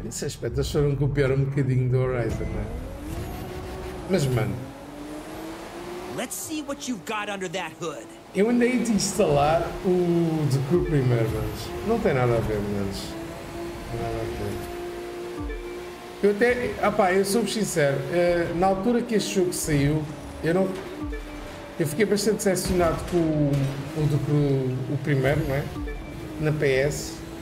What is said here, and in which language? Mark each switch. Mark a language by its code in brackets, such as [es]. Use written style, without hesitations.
[pt] Nesse aspecto, eles foram copiar um bocadinho do Horizon, né? Mas, mano. [en] Let's see what you've got under that hood. [pt] Eu andei de instalar o The Crew primeiro, mas. Não tem nada a ver, mas. Eu até. Eu sou sincero. Na altura que este jogo saiu, eu não. Eu fiquei bastante decepcionado com o primeiro, não é? Na PS.